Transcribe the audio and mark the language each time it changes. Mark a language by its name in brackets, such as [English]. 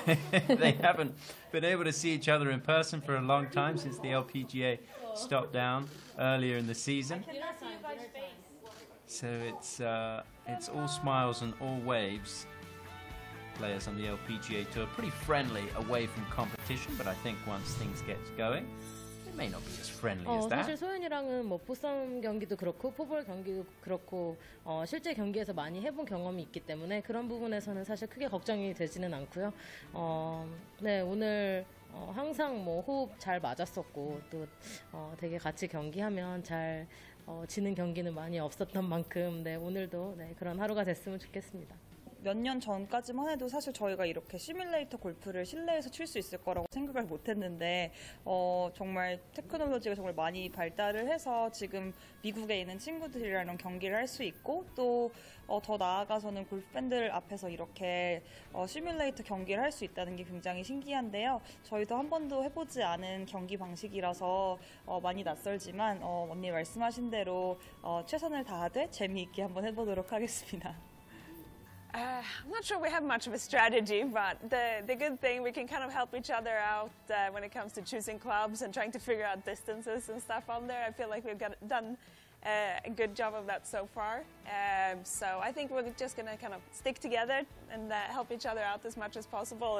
[English] They haven't been able to see each other in person for a long time since the LPGA stopped down earlier in the season. So it's all smiles and all waves. Players on the LPGA Tour, pretty friendly away from competition, but I think once things get going, it may not be as friendly as that. [Korean] 사실 소연이랑은 뭐 풋썸 경기도 그렇고 포볼 경기도 그렇고 실제 경기에서 많이 해본 경험이 있기 때문에 그런 부분에서는 사실 크게 걱정이 되지는 않고요. 네, 오늘 항상 뭐 호흡 잘 맞았었고 또 되게 같이 경기하면 잘 지는 경기는 많이 없었던 만큼 네, 오늘도 네, 그런 하루가 됐으면 좋겠습니다. 몇 년 전까지만 해도 사실 저희가 이렇게 시뮬레이터 골프를 실내에서 칠 수 있을 거라고 생각을 못했는데 정말 테크놀로지가 정말 많이 발달을 해서 지금 미국에 있는 친구들이랑 경기를 할 수 있고 또 더 나아가서는 골프 팬들 앞에서 이렇게 시뮬레이터 경기를 할 수 있다는 게 굉장히 신기한데요. 저희도 한 번도 해보지 않은 경기 방식이라서 많이 낯설지만 언니 말씀하신 대로 최선을 다하되 재미있게 한번 해보도록 하겠습니다. [English] I'm not sure we have much of a strategy, but the good thing, we can kind of help each other out when it comes to choosing clubs and trying to figure out distances and stuff on there. I feel like we've done a good job of that so far. So I think we're just going to kind of stick together and help each other out as much as possible.